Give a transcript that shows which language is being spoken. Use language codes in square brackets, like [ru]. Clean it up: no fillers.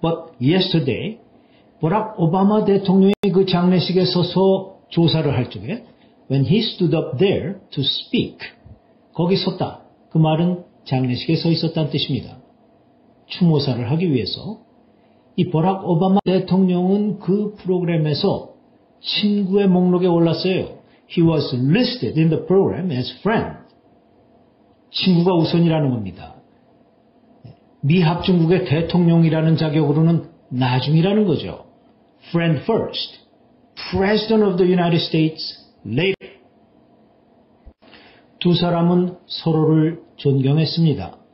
[en] But yesterday, [ko] 버락 오바마 대통령이 그 장례식에 서서 조사를 할 적에 [en] When he stood up there to speak, [ko] 거기 섰다. 그 말은 장례식에 서 있었다는 뜻입니다. 추모사를 하기 위해서 이 버락 오바마 대통령은 그 프로그램에서 친구의 목록에 올랐어요. [en] He was listed in the program as friend. [ko] 친구가 우선이라는 겁니다. 미합중국의 대통령이라는 자격으로는 나중이라는 거죠. [en] Friend first. President of the United States later. [ko] 두 사람은 서로를 존경했습니다.